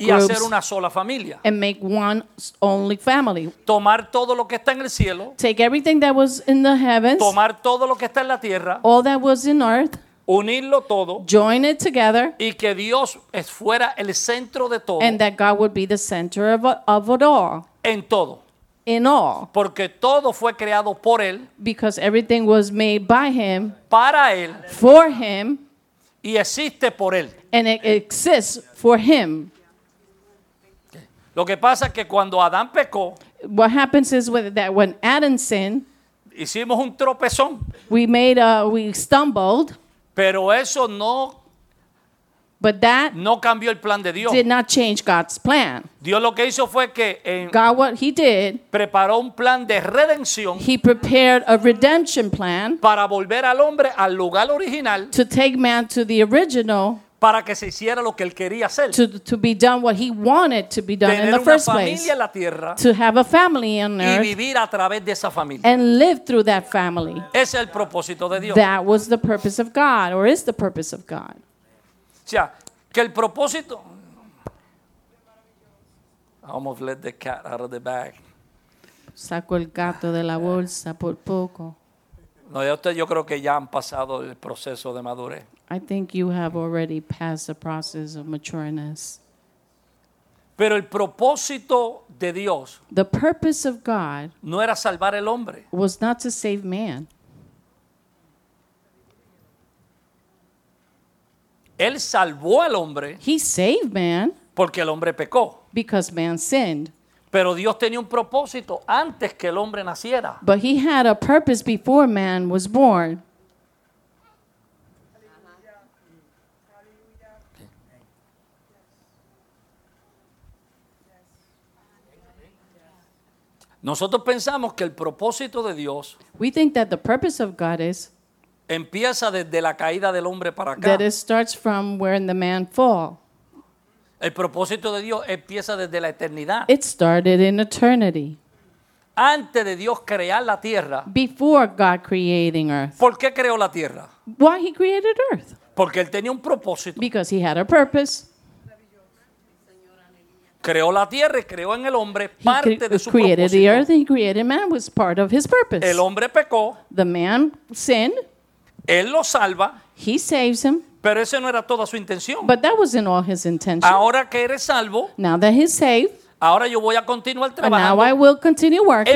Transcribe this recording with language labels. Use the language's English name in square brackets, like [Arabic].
[Spanish] y [English] groups, [Spanish] y hacer una sola familia, [English] and make one only family, [Spanish] tomar todo lo que está en el cielo, [English] take everything that was in the heavens, [Spanish] tomar todo lo que está en la tierra, [English] all that was in earth, [Spanish] unirlo todo, [English] join it together, [Spanish] y que Dios fuera el centro de todo, [English] and that God would be the center of it all, [Spanish] en todo. [English] In all, [Spanish] porque todo fue creado por él, [English] because everything was made by him, [Spanish] para él, [English] for him, [Spanish] y existe por él, [English] and it exists for him. [Spanish] Lo que pasa es que cuando Adán pecó, [English] what happens is that when Adam sinned, [Spanish] hicimos un tropezón, [English] we stumbled, [Spanish] pero eso no. [English] But that [Spanish] no cambió el plan de Dios. [English] Did not change God's plan. [Spanish] Dios lo que hizo fue que [English] God, what he did, [Spanish] preparó un plan de redención. [English] He prepared a redemption plan [Spanish] para volver al hombre al lugar original, [English] to take man to the original, [Spanish] para que se hiciera lo que él quería hacer, [English] to be done what he wanted to be done in the first place, [Spanish] tener una familia en la tierra, [English] to have a family on earth, [Spanish] y vivir a través de esa familia, [English] and live through that family. [Spanish] Ese es el propósito de Dios. [English] That was the purpose of God, or is the purpose of God. [Spanish] O sea, que el propósito. [English] I almost let the cat out of the bag. [Spanish] Saco el gato de la bolsa por poco. No, yo creo que ya han pasado el proceso de madurez. [English] I think you have already passed the process of matureness. [Spanish] Pero el propósito de Dios. [English] The purpose of God. [Spanish] No era salvar el hombre. [English] Was not to save man. [Spanish] Él salvó al hombre. [English] He saved man. [Spanish] Porque el hombre pecó. [English] Because man sinned. [Spanish] Pero Dios tenía un propósito antes que el hombre naciera. [English] But he had a purpose before man was born. [Spanish] Nosotros pensamos que el propósito de Dios. [English] We think that the purpose of God is. [Spanish] Empieza desde la caída del hombre para acá. [English] That it starts from where the man fall. [Spanish] El propósito de Dios empieza desde la eternidad. [English] It started in eternity. [Spanish] Antes de Dios crear la tierra. [English] Before God creating earth. [Spanish] ¿Por qué creó la tierra? [English] Why he created earth? [Spanish] Porque él tenía un propósito. [English] Because he had a purpose. [Spanish] Creó la tierra y creó en el hombre parte de su propósito. [English] He created the earth and he created man was part of his purpose. [Spanish] El hombre pecó. [English] The man sinned. [Spanish] Él lo salva. [English] He saves him. [Spanish] Pero ese no era toda su intención. [English] But that wasn't all his intention. [Spanish] Ahora que eres salvo. [English] Now that he's saved. [Spanish] Ahora yo voy a continuar trabajando. [English] Now I will continue working.